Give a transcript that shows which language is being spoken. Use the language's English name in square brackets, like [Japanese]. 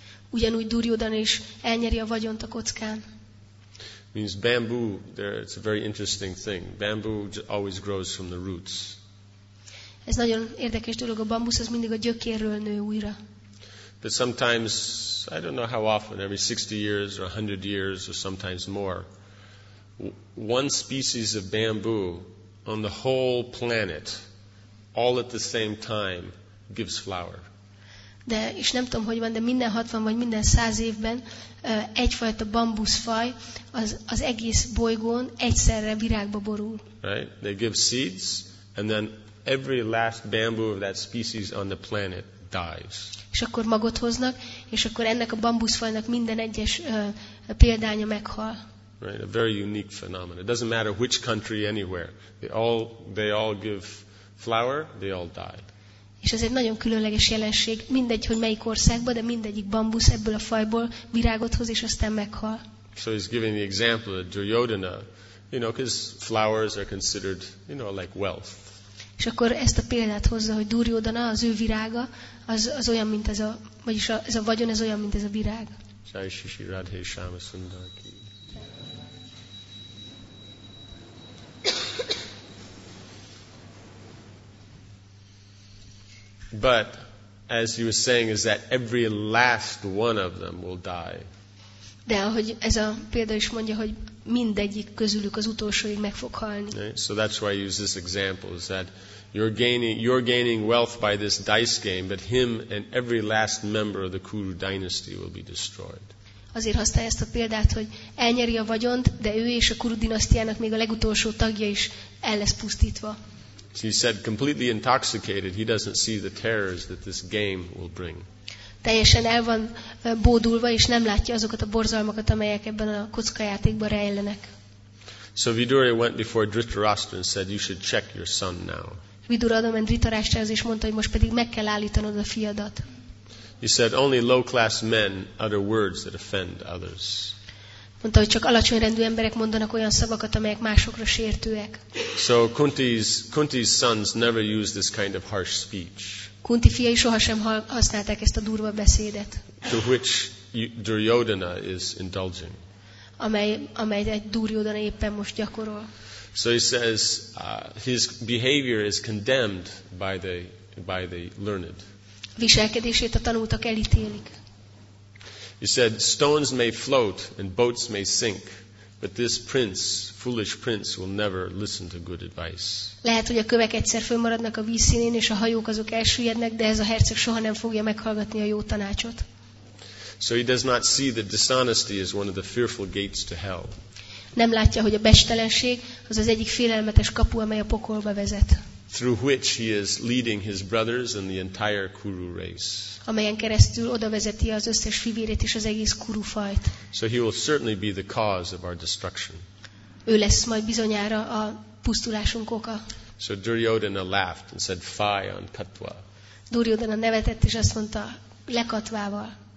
[Hungarian] Ugyanúgy Duryodhana is elnyeri a vagyont a kockán. [English] Means bamboo, there it's a very interesting thing. Bamboo always grows from the roots. [Hungarian] Ez nagyon érdekes dolog, a bambusz az mindig a gyökérről nő újra. [English] But sometimes, I don't know how often, every 60 years or 100 years or sometimes more, one species of bamboo on the whole planet all at the same time gives flower. [Hungarian] De és nem tudom, hogy van, de minden 60 vagy minden 100 évben egyfajta bambuszfaj az egész bolygón egyszerre virágba borul. [English] Right? They give seeds and then every last bamboo of that species on the planet dies. [Hungarian] És akkor magot hoznak, és akkor ennek a bambuszfajnak minden egyes példánya meghal. [English] Right? A very unique phenomenon. It doesn't matter which country anywhere. They all give flower, they all die. [Hungarian] És ez egy nagyon különleges jelenség. Mindegy, hogy melyik országban, de mindegyik bambusz ebből a fajból virágot hoz, és aztán meghal. [English] So he's giving the example of Duryodhana, because flowers are considered, like wealth. [Hungarian] És akkor ezt a példát hozza, hogy Duryodhana, az ő virága, az olyan, mint ez a, vagyis a, ez a vagyon, ez olyan, mint ez a virág. [Hindi] Jai Shishi Radhe Shama Sundar Ki. [English] But as you were saying, is that every last one of them will die. [Hungarian] De ahogy ez a példa is mondja, hogy mindegyik közülük az utolsóig meg fog halni. [English] Okay? So that's why I use this example, is that you're gaining wealth by this dice game, but him and every last member of the Kuru dynasty will be destroyed. [Hungarian] Azért használja ezt a példát, hogy elnyeri a vagyont, de ő és a Kuru dinasztiának még a legutolsó tagja is el lesz pusztítva. [English] He said, completely intoxicated, he doesn't see the terrors that this game will bring. [Hungarian] Teljesen el van bódulva, és nem látja azokat a borzalmakat, amelyek ebben a kockajátékban rejlenek. [English] So Vidura went before Dhritarashtra and said, you should check your son now. [Hungarian] Vidura oda ment Dhritarashtrahoz, és mondta, hogy most pedig meg kell állítanod a fiadat. [English] He said, only low-class men utter words that offend others. [Hungarian] Mondta, hogy csak alacsony rendű emberek mondanak olyan szavakat, amelyek másokra sértőek. [English] So Kunti's sons never use this kind of harsh speech. [Hungarian] Kunti fiai sohasem használták ezt a durva beszédet. [English] To which Duryodhana is indulging. [Hungarian] Amely egy Duryodhana éppen most gyakorol. [English] So he says his behavior is condemned by the learned. [Hungarian] Viselkedését a tanultak elítélik. [English] He said, stones may float and boats may sink, but this prince, foolish prince, will never listen to good advice. [Hungarian] Lehet, hogy a kövek egyszer fölmaradnak a vízszínén, és a hajók azok elsüllyednek, de ez a herceg soha nem fogja meghallgatni a jó tanácsot. [English] So he does not see that dishonesty is one of the fearful gates to hell. [Hungarian] nem látja, hogy a becstelenség az az egyik félelmetes kapu, amely a pokolba vezet. [English] Through which he is leading his brothers and the entire Kuru race. [Hungarian] Amelyen keresztül oda vezeti az összes fivérét és az egész Kuru fajt. [English] So he will certainly be the cause of our destruction. [Hungarian] Ő lesz majd bizonyára a pusztulásunk oka. [English] So Duryodhana laughed and said, "Fie on Katva." [Hungarian] Duryodhana nevetett és azt mondta, lekatvával.